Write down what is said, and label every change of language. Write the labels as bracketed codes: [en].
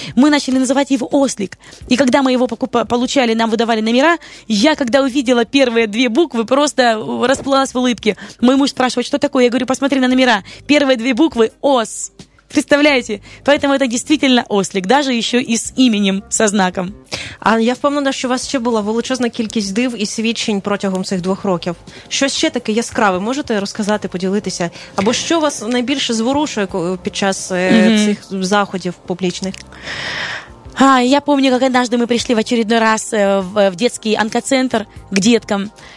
[ru] Мы начали называть его «Ослик». И когда мы его получали, нам выдавали номера, я, когда увидела первые две буквы, просто расплылась в улыбке. Мой муж спрашивает, что такое? Я говорю, посмотри на номера. Первые две буквы «Ос». Представляете? Поэтому это действительно «Ослик», даже еще и с именем, со знаком. [uk] А я впевнена, що у вас ще була величезна кількість див і свідчень протягом цих двох років. Що ще таке яскраве? Можете розказати, поділитися? Або що вас найбільше зворушує під час цих заходів публічних? [ru] А, я помню, как однажды мы пришли в очередной раз в детский онкоцентр к деткам.